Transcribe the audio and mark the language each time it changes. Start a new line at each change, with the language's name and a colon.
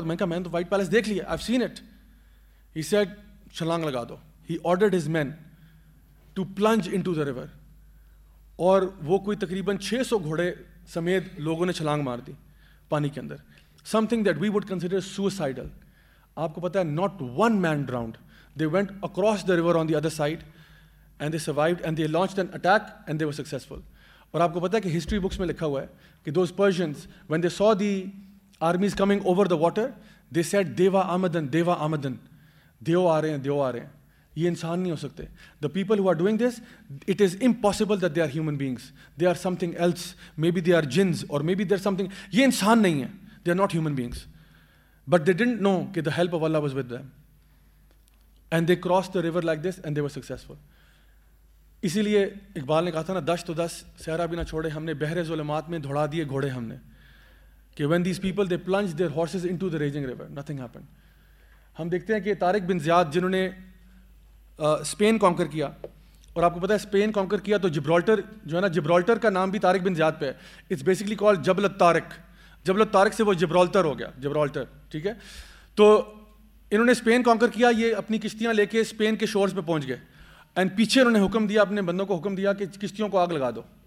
Urdu: میں نے کہا, میں نے تو وائٹ پیلس دیکھ لیا,
English: I have seen it. He said,
Urdu: چھلانگ لگا دو.
English: he ordered his men to plunge into the river,
Urdu: اور وہ کوئی تقریباً 600 گھوڑے سمیت لوگوں نے چھلانگ مار دی پانی کے اندر.
English: Something that we would consider suicidal.
Urdu: آپ کو پتا ہے,
English: Not one man drowned. They went across the river on the other side and they survived and they launched an attack and they were successful.
Urdu: اور آپ کو پتا ہے کہ ہسٹری بکس میں لکھا ہوا ہے کہ
English: those Persians, when they saw the armies coming over the water, they said دیوا آمدن,
Urdu: دیو آ رہے ہیں. یہ انسان نہیں ہو سکتے.
English: The people who are doing this, it is impossible that they are human beings. They are something else, maybe they are jinns, اور maybe they are something.
Urdu: یہ انسان نہیں ہے,
English: They are not human beings. But they didn't know کہ the help of Allah was with them, and they cross the river like this and they were successful.
Urdu: اسی لیے اقبال نے کہا تھا نا, دس تو دس سہرا بھی نہ چھوڑے, ہم نے بحر ظلمات میں دھوڑا دیے گھوڑے ہم نے.
English: کہ when these people they plunge their horses into the raging river, nothing happen.
Urdu: ہم دیکھتے ہیں کہ طارق بن زیاد, جنہوں نے اسپین کانکر کیا, اور آپ کو پتا ہے اسپین کانکر کیا تو جبرالٹر جو ہے نا, جبرالٹر کا نام بھی طارق بن زیاد پہ ہے,
English: it's basically call Jabal Tariq,
Urdu: جبل طارق سے وہ جبرالٹر ہو گیا جبرالٹر, ٹھیک ہے. تو انہوں نے اسپین کانکر کیا, یہ اپنی کشتیاں لے کے اسپین کے شورز پہ پہنچ گئے, اینڈ پیچھے انہوں نے حکم دیا, اپنے بندوں کو حکم دیا کہ کشتیوں کو آگ لگا دو.